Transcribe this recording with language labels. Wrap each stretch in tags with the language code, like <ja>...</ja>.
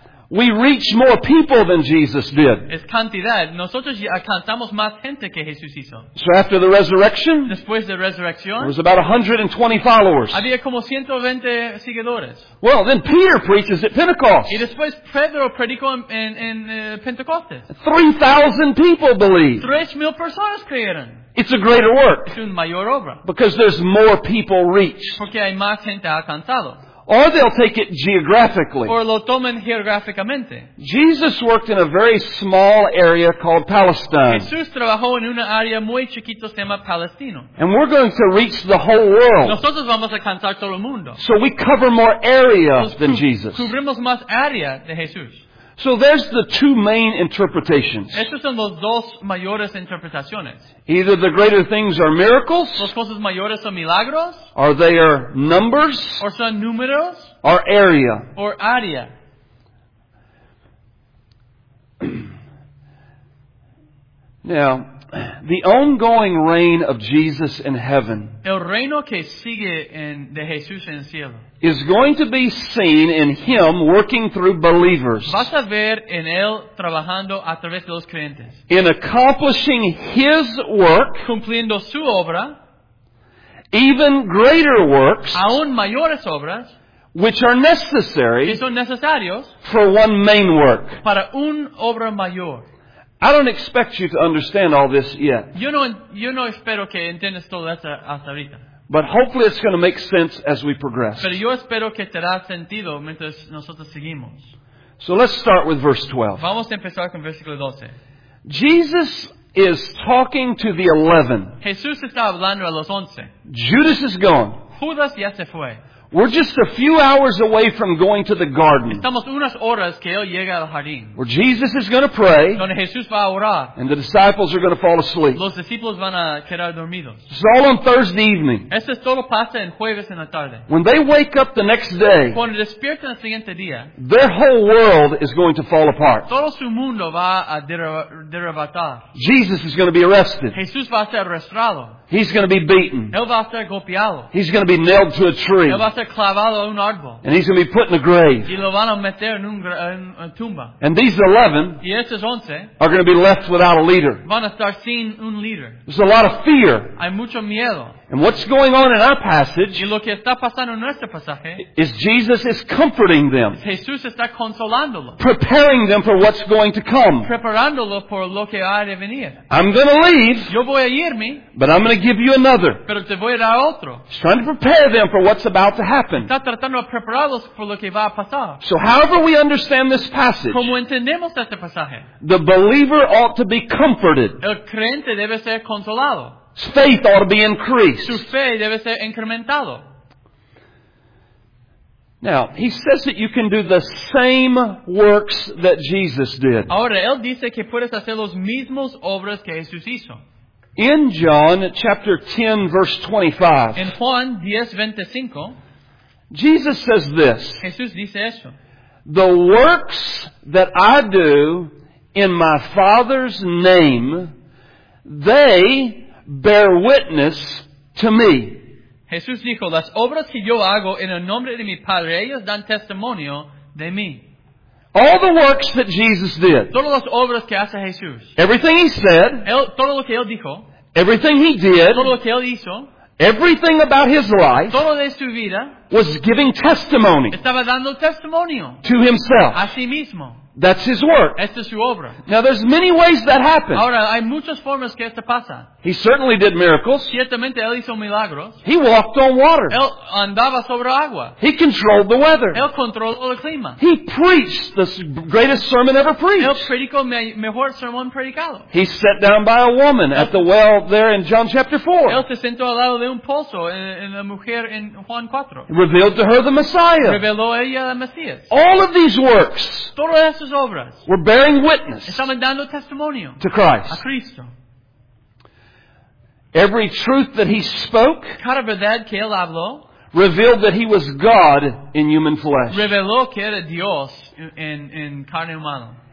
<en>We reach more people than Jesus did.</en> <es>Es cantidad. Nosotros alcanzamos más gente que Jesús hizo.</es> <en>So after the resurrection,</en> <es>después de resurrección,</es> <en>there was about 120 followers.</en> <es>Había como 120 seguidores.</es> <en>Well, then Peter preaches at Pentecost.</en> <es>Y después Pedro predicó en Pentecostes.</es> <en>3,000 people believed.</en> <es>3,000 personas creyeron.</es> <en>It's a greater work.</en> <es>Es una mayor obra.</es> <en>Because there's more people reached.</en> <es>Porque hay más gente alcanzado.</es> <en>Or they'll take it geographically.</en> <es>Or lo tomen geográficamente.</es> <en>Jesus worked in a very small area called Palestine.</en> <es>Jesús trabajó en una área muy chiquita que se llama Palestino.</es> <en>And we're going to reach the whole world.</en> <es>Nosotros vamos a alcanzar todo el mundo.</es> <en>So we cover more area than Jesus.</en> <es>Cubrimos más área de Jesús.</es> <en>So there's the two main interpretations.</en> <es>Estos son los dos mayores interpretaciones.</es> <en>Either the greater things are miracles.</en> <es>Las cosas mayores son milagros.</es> <en>Or they are numbers.</en> <es>Or son números.</es> <en>Or area.</en> <es>Or área.</es> <en>Now, the ongoing reign of Jesus in heaven.</en> <es>El reino que sigue de Jesús en el cielo.</es> <en>Is going to be seen in him working through believers.</en> <es>Vas a ver en él trabajando a través de los creyentes.</es> <en>In accomplishing his work,</en> <es>cumpliendo su obra,</es> <en>even greater works,</en> <es>aún mayores obras,</es> <en>which are necessary,</en> <es>que son necesarios,</es> <en>for one main work,</en> <es>para una obra mayor.</es> <en>I don't expect you to understand all this yet.</en> <es>Yo no espero que entiendas todo esto hasta ahorita.</es> <en>But hopefully it's going to make sense as we progress.</en> <es>Pero yo espero que te da sentido mientras nosotros seguimos.</es> <en>So let's start with verse 12.</en> <es>Vamos a empezar con versículo 12.</es> <en>Jesus is talking to the 11.</en> <es>Jesús está hablando a los 11.</es> <en>Judas is gone.</en> <es>Judas ya se fue.</es> <en>We're just a few hours away from going to the garden.</en> <es>Estamos unas horas que él llega al jardín.</es> <en>Where Jesus is going to pray.</en> <es>Donde Jesús va a orar.</es> <en>And the disciples are going to fall asleep.</en> <es>Los discípulos van a quedar dormidos.</es> <en>It's all on Thursday evening.</en> <es>Esto es todo pasa en jueves en la tarde.</es> <en>When they wake up the next day.</en> <es>Cuando despiertan el siguiente día.</es> <en>Their whole world is going to fall apart.</en> <es>Todo su mundo va a derrotar.</es> <en>Jesus is going to be arrested.</en> <es>Jesús va a ser arrestado.</es> <en>He's going to be beaten.</en> <es>Él va a ser golpeado.</es> <en>He's going to be nailed to a tree.</en> <es>Él va a ser clavado a un árbol.</es> <en>And he's going to be put in a grave.</en> <es>Y lo van a meter en una tumba.</es> <en>And these 11,</en> <es>y estos 11</es> <en>are going to be left without a leader.</en> <es>Van a estar sin un líder.</es> <en>There's a lot of fear.</en> <es>Hay mucho miedo.</es> <en>And what's going on in our passage?</en> <es>Y lo que está pasando en nuestro pasaje,</es> <en>is Jesus is comforting them.</en> <es>Jesús está consolándolo.</es> <en>Preparing them for what's going to come.</en> <es>Preparándolo por lo que ha de venir.</es> <en>I'm going to leave.</en> <es>Yo voy a irme.</es> <en>But I'm going to give you another.</en> <es>Pero te voy a dar otro.</es> <en>He's trying to prepare them for what's about to happen.</en> <es>Está tratando de prepararlos por lo que va a pasar.</es> <en>So however we understand this passage,</en> <es>como entendemos este pasaje,</es> <en>the believer ought to be comforted.</en> <es>El creyente debe ser consolado.</es> <en>Faith ought to be increased.</en> <es>Su fe debe ser incrementado.</es> <en>Now, he says that you can do the same works that Jesus did.</en> <es>Ahora, él dice que puedes hacer los mismos obras que Jesús hizo.</es> <en>In John chapter 10, verse 25.</en> <es>En Juan 10, 25.</es> <en>Jesus says this.</en> <es>Jesús dice esto.</es> <en>The works that I do in my Father's name, they bear witness to me.</en> <es>Jesús dijo, las obras que yo hago en el nombre de mi Padre, ellos dan testimonio de mí.</es> <en>All the works that Jesus did.</en> <es>Todas las obras que hace Jesús.</es> <en>Everything he said.</en> <es>Todo lo que él dijo.</es> <en>Everything he did.</en> <es>Todo lo que él hizo.</es> <en>Everything about his life.</en> <es>Todo de su vida.</es> <en>Was giving testimony.</en> <es>Estaba dando testimonio.</es> <en>To himself.</en> <es>A sí mismo.</es> <en>That's his work.</en> <es>Esta es su obra.</es> <en>Now there's many ways that happens.</en> <es>Ahora, hay muchas formas que esto pasa.</es> <en>He certainly did miracles.</en> <es>Ciertamente, él hizo milagros.</es> <en>He walked on water.</en> <es>Él andaba sobre agua.</es> <en>He controlled the weather.</en> <es>Él controló el clima.</es> <en>He preached the greatest sermon ever preached.</en> <es>Él predicó mejor sermón predicado.</es> <en>He sat down by a woman at the well there in John chapter 4.</en> <es>Él se sentó al lado de un pozo en la mujer en Juan 4.</es> <en>He revealed to her the Messiah.</en> <es>Reveló a ella el Mesías.</es> <en>All of these works.</en> <es>Todas estas obras.</es> <en>Were bearing witness.</en> <es>Estaban dando testimonio.</es> <en>To Christ.</en> <es>A Cristo.</es> <en>Every truth that he spoke,</en> <es>cada verdad que él habló,</es> <en>revealed that he was God in human flesh.</en> <es>Reveló que era Dios en carne humana.</es>